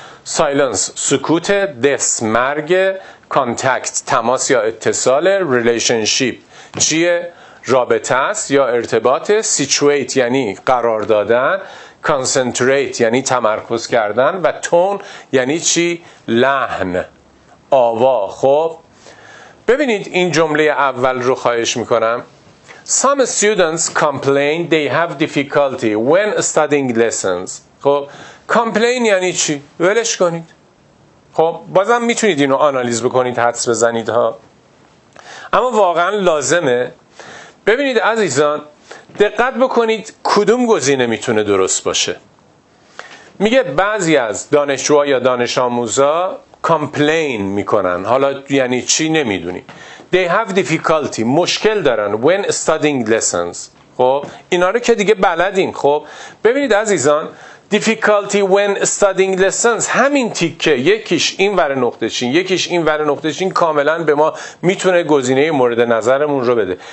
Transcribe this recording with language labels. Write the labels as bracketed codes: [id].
[fa] Silence سکوت، death مرگ، contact تماس یا اتصال، relationship چیه؟ رابطه است یا ارتباط، situate یعنی قرار دادن، concentrate یعنی تمرکز کردن و تون یعنی چی؟ لحن، آوا. خب ببینید این جمله اول رو خواهش میکنم. [en] Some students complain they have difficulty when studying lessons. [fa] خب complain یعنی چی؟ ولش کنید. خب بازم میتونید اینو آنالیز بکنید، حدس بزنید ها، اما واقعا لازمه. ببینید عزیزان دقت بکنید کدوم گزینه میتونه درست باشه. میگه بعضی از دانشجوها یا دانش آموزا کامپلین میکنن، حالا یعنی چی نمیدونی. [en] They have difficulty مشکل دارن when studying lessons. [fa] خب اینا رو که دیگه بلدین. خب ببینید عزیزان difficulty when studying lessons همین تیکه، یکیش این ور نقطه چین، یکیش این ور نقطه چین، کاملا به ما میتونه گزینه مورد نظرمون رو بده.